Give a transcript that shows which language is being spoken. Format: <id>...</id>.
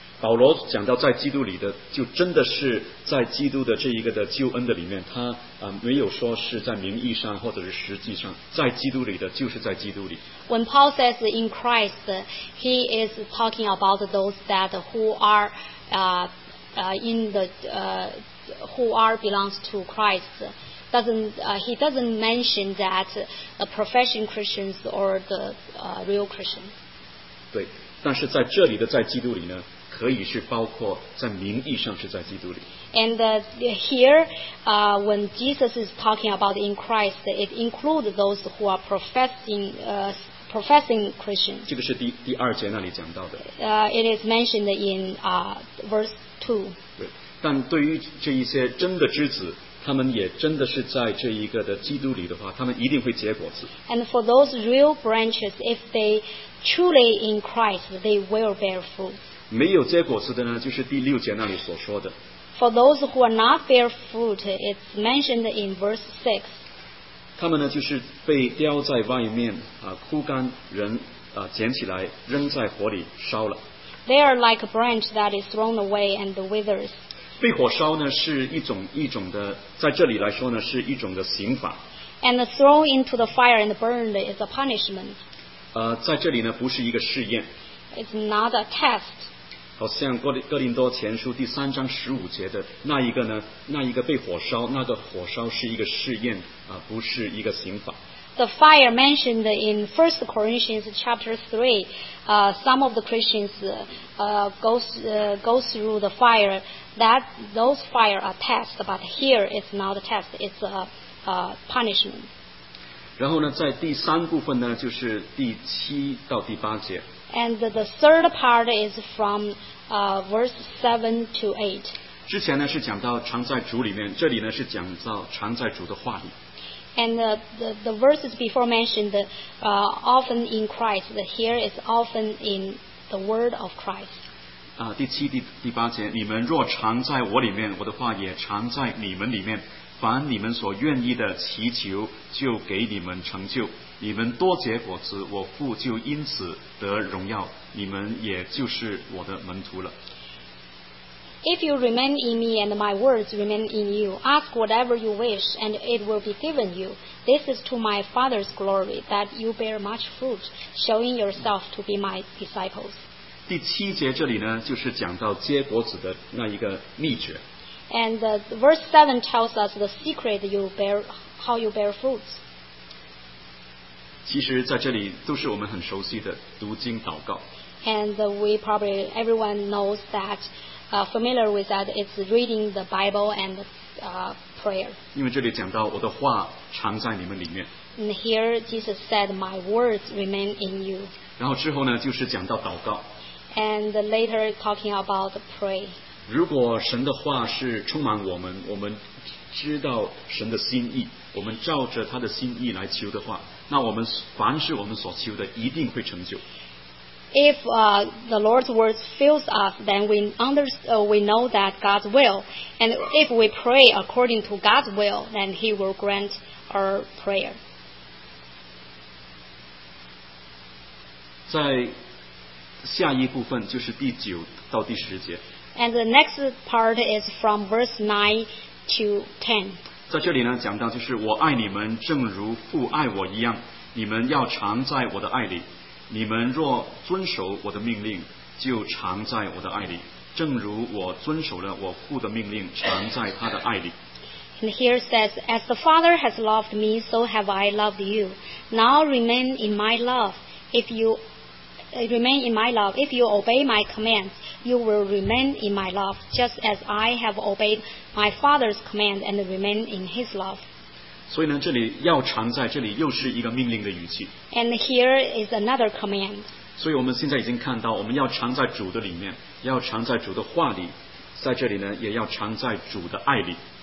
<zh>保罗讲到在基督里的，就真的是在基督的这一个的救恩的里面，他没有说是在名义上或者是实际上，在基督里的就是在基督里。</zh> <en>When Paul says in Christ, he is talking about those that who are in the who are belongs to Christ. He doesn't mention that the profession Christians or the real Christian.</en> <zh>对，但是在这里的在基督里呢，可以是包括在名义上是在基督里。</zh> <en>And here, when Jesus is talking about in Christ, it includes those who are professing Christian.</en> <zh>这个是第二节那里讲到的。</zh> <en>It is mentioned in verse 2.</en> <zh>对。但对于这一些真的之子，他们也真的是在这一个的基督里的话，他们一定会结果子。</zh> <en>And for those real branches, if they truly in Christ, they will bear fruit.</en> <zh>没有结果子的呢，就是第六节那里所说的。</zh> <en>For those who are not bear fruit, it's mentioned in verse 6.</en> <zh>他们呢就是被吊在外面啊，枯干，人啊捡起来扔在火里烧了。</zh> <en>They are like a branch that is thrown away and withers.</en> <zh>被火烧呢是一种的，在这里来说呢是一种的刑罚。</zh> <en>And thrown into the fire and burned is a punishment.</en> <zh>在这里呢不是一个试验。</zh> <en>It's not a test.</en> <zh>好像哥林多前书第三章十五节的那一个呢，那一个被火烧，那个火烧是一个试验啊，不是一个刑罚。</zh> <en>The fire mentioned in 1 Corinthians chapter 3, some of the Christians goes through the fire. Those fire are tests, but here it's not a test, it's a punishment.</en> <zh>然后呢，在第三部分呢，就是第七到第八节。</zh> <en>And the third part is from verse 7 to 8.</en> <zh>之前呢是讲到常在主里面，这里呢是讲到常在主的话里。</zh> <en>And the verses before mentioned often in Christ, here is often in the word of Christ.</en> <zh>第七、第八节，你们若常在我里面，我的话也常在你们里面，凡你们所愿意的祈求，就给你们成就。你们多结果子，我父就因此得荣耀，你们也就是我的门徒了。</zh> <en>If you remain in me and my words remain in you, ask whatever you wish and it will be given you. This is to my Father's glory that you bear much fruit, showing yourself to be my disciples.</en> <zh>第七节这里呢，就是讲到结果子的那一个秘诀。</zh> <en>And verse 7 tells us the secret how you bear fruits.</en> <zh>其实在这里都是我们很熟悉的读经祷告。</zh> <en>And we probably, everyone knows thatfamiliar with that, it's reading the Bible and prayer.</en> <zh>因为这里讲到我的话常在你们里面。</zh> <en>And here Jesus said, my words remain in you.</en> <zh>然后之后呢，就是讲到祷告。</zh> <en>And later talking about pray.</en> <zh>如果神的话是充满我们，我们知道神的心意，我们照着他的心意来求的话，那我们凡是我们所求的一定会成就。</zh> <en>If the Lord's words fills us, then we know that God's will. And if we pray according to God's will, then He will grant our prayer.</en> <zh>在下一部分就是第九到第十节。</zh> <en>And the next part is from verse 9 to 10.</en> <zh>在这里呢，讲到就是我爱你们，正如父爱我一样，你们要常在我的爱里。你们若遵守我的命令，就常在我的爱里，正如我遵守了我父的命令，常在他的爱里。</zh> <en>And here says, As the Father has loved me, so have I loved you. Now remain in my love. If you remain in my love, if you obey my commands, you will remain in my love, just as I have obeyed my Father's command and remain in his love.</en> <zh>所以呢，这里要常在，这里又是一个命令的语气。</zh> <en>And here is another command.</en> <zh>所以我们现在已经看到，我们要常在主的里面，要常在主的话里，在这里呢，也要常在主的爱里。</zh>